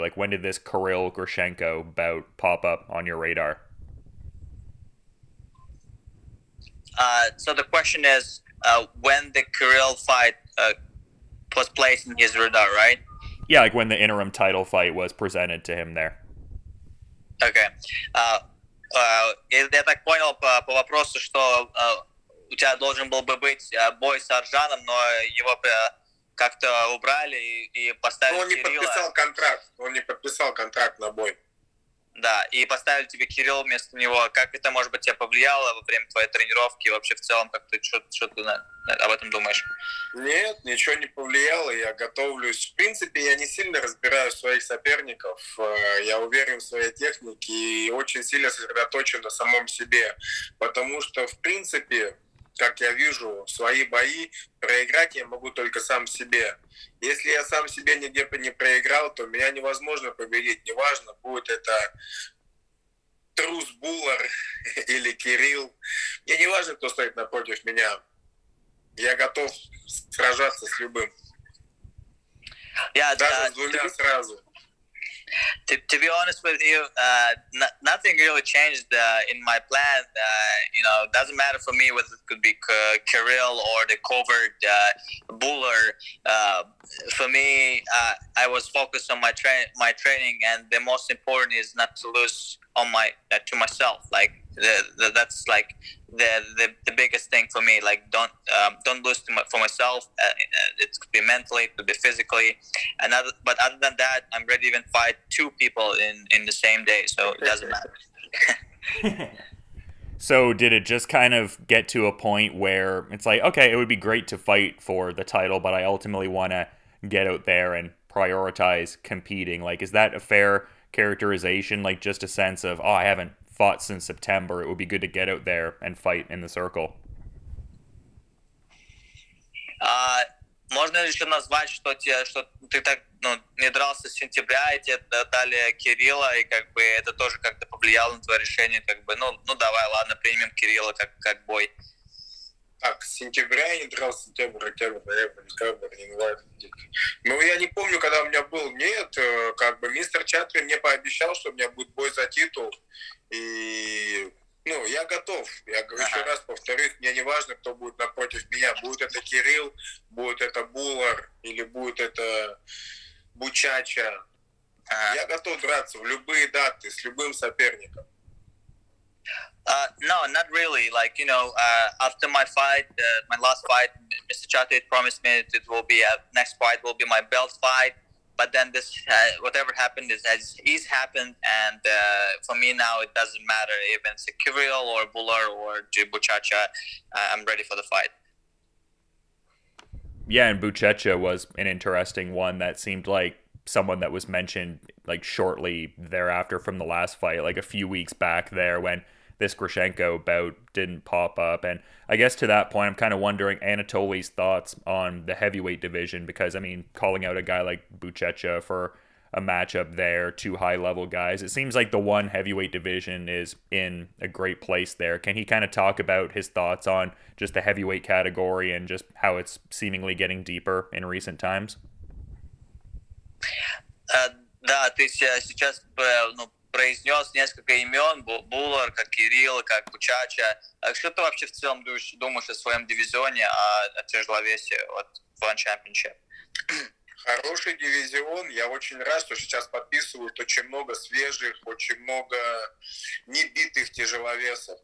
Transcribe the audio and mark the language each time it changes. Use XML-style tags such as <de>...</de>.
<en>Like, when did this Kirill Grishenko bout pop up on your radar? So the question is, when the Kirill fight was placed in his radar, right? Yeah, like when the interim title fight was presented to him there. Okay.</en> <ru>Я так понял по вопросу, что у тебя должен был бы быть бой с Аржаном, но его как-то убрали и поставили Кирилла. Он не подписал контракт. Он не подписал контракт на бой. Да, и поставили тебе Кирилл вместо него. Как это, может быть, тебя повлияло во время твоей тренировки? Вообще, в целом, как ты что-то об этом думаешь? Нет, ничего не повлияло. Я готовлюсь. В принципе, я не сильно разбираю своих соперников. Я уверен в своей технике и очень сильно сосредоточен на самом себе. Потому что, в принципе, как я вижу, свои бои проиграть я могу только сам себе. Если я сам себе нигде не проиграл, то меня невозможно победить. Неважно, будет это Трус Буллар или Кирилл. Мне не важно, кто стоит напротив меня. Я готов сражаться с любым.</ru> <en>Yeah,</en> <ru>даже с двумя сразу.</ru> <en>To be honest with you, nothing really changed in my plan. You know, it doesn't matter for me whether it could be Kirill or the covert Buller. For me, I was focused on my training, and the most important is not to lose on my to myself. Like that's like the biggest thing for me. Like don't lose for myself. It could be mentally, it could be physically. But other than that, I'm ready to even fight two people in the same day. So it doesn't matter. So did it just kind of get to a point where it's like, okay, it would be great to fight for the title, but I ultimately want to get out there and prioritize competing? Like, is that a fair characterization? Like, just a sense of, oh, I haven't fought since September, it would be good to get out there and fight in the circle?</en> <ru>Можно еще назвать, что тебе, что ты так, ну, не дрался с сентября, и тебе дали Кирилла, и как бы это тоже как-то повлияло на твое решение, как бы, ну давай, ладно, примем Кирилла как бой. Так, с сентября я не дрался, сентябрь, январь. Ну, я не помню, когда у меня был. Нет, как бы мистер Чатри мне пообещал, что у меня будет бой за титул. И, ну, я готов. Я еще раз повторюсь, мне не важно, кто будет напротив меня. Будет это Кирилл, будет это Буллар или будет это Бучача. Я готов драться в любые даты с любым соперником.</ru> <en>No, not really. Like, you know, after my fight, my last fight, Mr. Chatri promised me that it will be next fight will be my belt fight. But then this, whatever happened is happened, and for me now it doesn't matter if it's a Kirill or Buller or Buchecha, I'm ready for the fight. Yeah, and Buchecha was an interesting one that seemed like someone that was mentioned like shortly thereafter from the last fight, like a few weeks back there when this Grishenko bout didn't pop up. And I guess to that point, I'm kind of wondering Anatoly's thoughts on the heavyweight division, because, I mean, calling out a guy like Buchecha for a matchup there, two high-level guys, it seems like the ONE heavyweight division is in a great place there. Can he kind of talk about his thoughts on just the heavyweight category and just how it's seemingly getting deeper in recent times?</en> <ru>Да, ты сейчас, ну, произнес несколько имен, Буллер, как Кирилл, как Кучача. А что ты вообще в целом думаешь о своем дивизионе, о тяжеловесе от One Championship? Хороший дивизион. Я очень рад, что сейчас подписывают очень много свежих, очень много небитых тяжеловесов.</ru>